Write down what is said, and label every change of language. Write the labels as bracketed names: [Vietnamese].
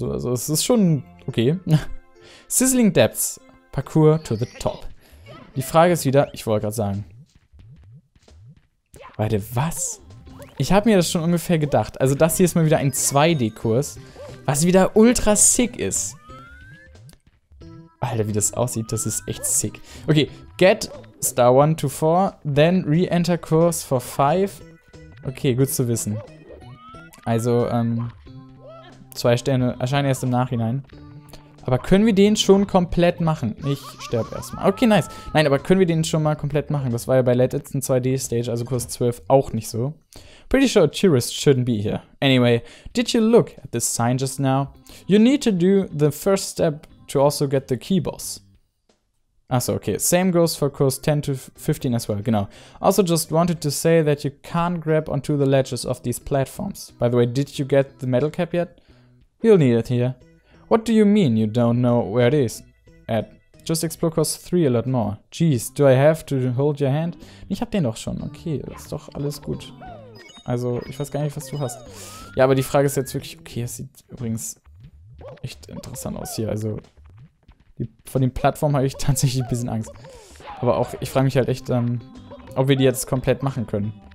[German] Also es ist schon okay. Sizzling Depths, Parkour to the Top. Die Frage ist wieder, ich wollte gerade sagen. Warte, was? Ich habe mir das schon ungefähr gedacht. Also das hier ist mal wieder ein 2D-Kurs, was wieder ultra sick ist. Alter, wie das aussieht, das ist echt sick. [English] Okay, get Star 1 to 4, then re-enter course for 5. [German] Okay, gut zu wissen. Also, 2 Sterne erscheinen erst im Nachhinein. Aber können wir den schon komplett machen? Ich sterb erstmal. Okay, nice. Nein, aber können wir den schon mal komplett machen? Das war ja bei letzten 2D-Stage, also Kurs 12, auch nicht so. [English] Pretty sure tourists shouldn't be here. Anyway, did you look at this sign just now? You need to do the first step to also get the key boss. [German] Achso, okay. [English] Same goes for Kurs 10 to 15 as well, [German] genau. [English] Also just wanted to say that you can't grab onto the ledges of these platforms. By the way, did you get the metal cap yet? You'll need it here. What do you mean you don't know where it is? At just explore course 3 a lot more. Jeez, do I have to hold your hand? [German] Ich hab den doch schon. Okay, das ist doch alles gut. Also, ich weiß gar nicht, was du hast. Ja, aber die Frage ist jetzt wirklich... Okay, es sieht übrigens echt interessant aus hier. Also, von den Plattformen habe ich tatsächlich ein bisschen Angst. Aber auch, ich frage mich halt echt, ob wir die jetzt komplett machen können.